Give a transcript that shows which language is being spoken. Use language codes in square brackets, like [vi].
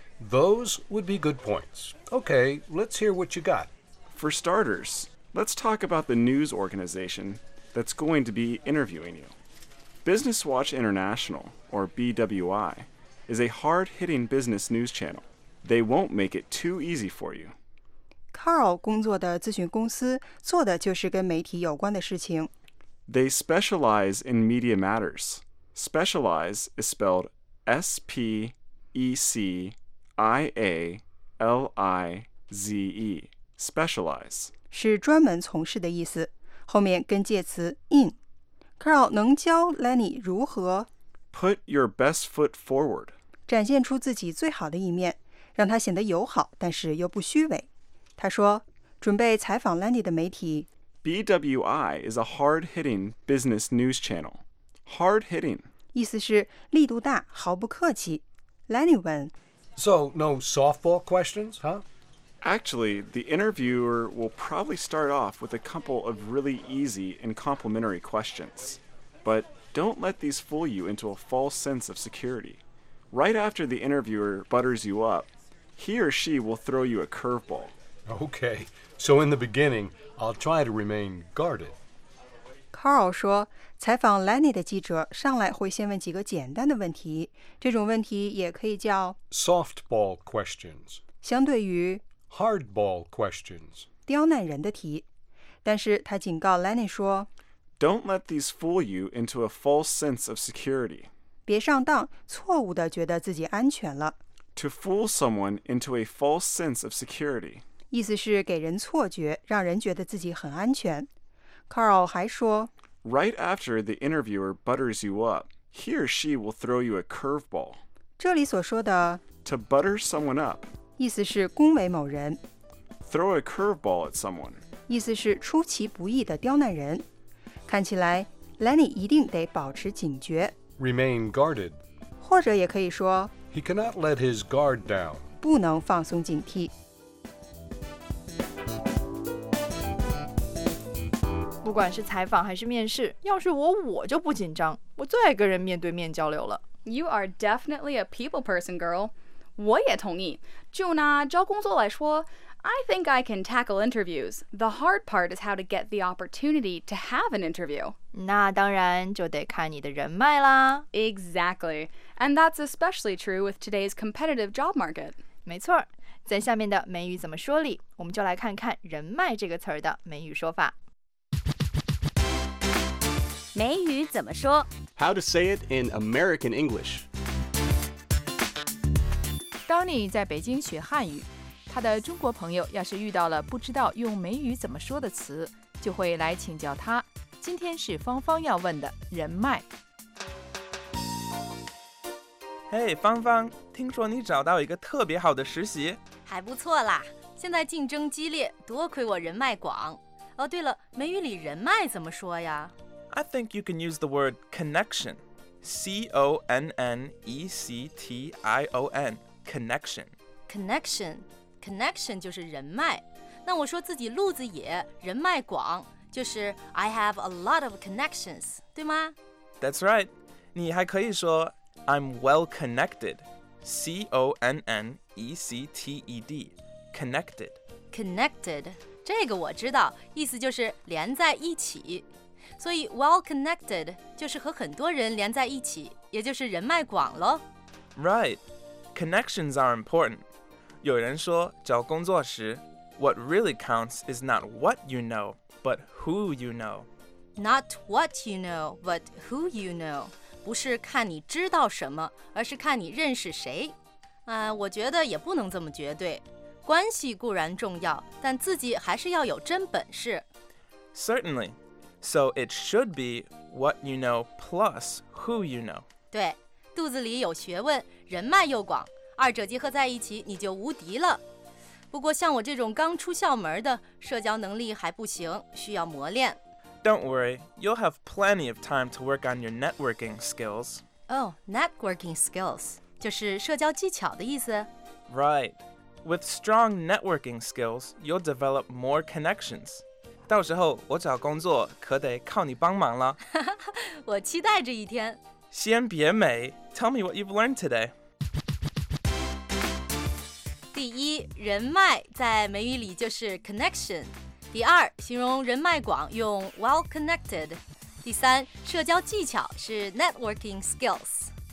[en] Those would be good points. Okay, let's hear what you got. For starters, let's talk about the news organization that's going to be interviewing you. Business Watch International, or BWI, is a hard-hitting business news channel. They won't make it too easy for you. [zh] Carl 工作的咨询公司做的就是跟媒体有关的事情。 [en] They specialize in media matters. Specialize is spelled S-P-E-C-I-A-L-I-Z-E. Specialize. [zh] 是专门从事的意思，后面跟介词 in。 Carl 能教 Lenny 如何 [en] Put your best foot forward. [zh] 展现出自己最好的一面，让他显得友好，但是又不虚伪。他说，准备采访 Lenny 的媒体。 [en] BWI is a hard-hitting business news channel. Hard-hitting. [zh] 意思是力度大，毫不客气。 Lenny 问。 [en] So, no softball questions, huh? Actually, the interviewer will probably start off with a couple of really easy and complimentary questions. But don't let these fool you into a false sense of security. Right after the interviewer butters you up, he or she will throw you a curveball. Okay, so in the beginning, I'll try to remain guarded. [zh] Carl 说，采访 Lenny 的记者上来会先问几个简单的问题，这种问题也可以叫 [en] softball questions， [zh] 相对于 [en] hardball questions， [zh] 刁难人的题。但是他警告 Lenny 说 [en] ，Don't let these fool you into a false sense of security. [zh] 别上当，错误地觉得自己安全了。 [en] To fool someone into a false sense of security. [zh] 意思是给人错觉，让人觉得自己很安全。 Carl 还说 [en] ，Right after the interviewer butters you up, he or she will throw you a curveball. [zh] 这里所说的 [en] to butter someone up， [zh] 意思是恭维某人。 [en] Throw a curveball at someone. [zh] 意思是出其不意的刁难人。看起来 Lenny 一定得保持警觉。 [en] Remain guarded. [zh] 或者也可以说 [en] He cannot let his guard down. [zh] 不能放松警惕。不管是采访还是面试，要是我就不紧张，我最爱跟人面对面交流了。 [en] You are definitely a people person, girl. [zh] 我也同意。就拿招工作来说， [en] I think I can tackle interviews. The hard part is how to get the opportunity to have an interview. [zh] 那当然就得看你的人脉啦。 [en] Exactly. And that's especially true with today's competitive job market. [zh] 没错。在下面的美语怎么说里，我们就来看看人脉这个词儿的美语说法。美语怎么说？ [en] How to say it in American English. [zh] Donnie 在北京学汉语。他的中国朋友要是遇到了不知道用美语怎么说的词，就会来请教他。今天是芳芳要问的人脉。嘿，芳芳，听说你找到一个特别好的实习。还不错啦，现在竞争激烈，多亏我人脉广。哦，对了，美语里人脉怎么说呀？ [en] I think you can use the word connection. C-O-N-N-E-C-T-I-O-N. Connection. [zh] Connection. Connection 就是人脉，那我说自己路子野，人脉广，就是 [en] I have a lot of connections, [zh] 对吗？ [en] That's right. [zh] 你还可以说 [en] I'm well connected. C-O-N-N-E-C-T-E-D. Connected. Connected. [zh] 这个我知道，意思就是连在一起。所以 well connected 就是和很多人连在一起，也就是人脉广咯。 [en] Right. Connections are important. [zh] 有人说找工作时 [en] What really counts is not what you know, but who you know. Not what you know, but who you know. [zh] 不是看你知道什么，而是看你认识谁。我觉得也不能这么绝对。关系固然重要，但自己还是要有真本事。 [en] Certainly. So it should be what you know plus who you know. [zh] 对，肚子里有学问，人脉又广。二者结合在一起，你就无敌了。不过像我这种刚出校门的，社交能力还不行，需要磨练。 [en] Don't worry, you'll have plenty of time to work on your networking skills. [zh] Oh, networking skills, 就是社交技巧的意思。 [en] Right. With strong networking skills, you'll develop more connections. [zh] 到时候我找工作可得靠你帮忙了。我期待这一天。先别美， [en] tell me what you've learned today. [zh] 第一，人脉在美语里就是 connection。第二，形容人脉广用 well connected。第三，社交技巧是 networking skills。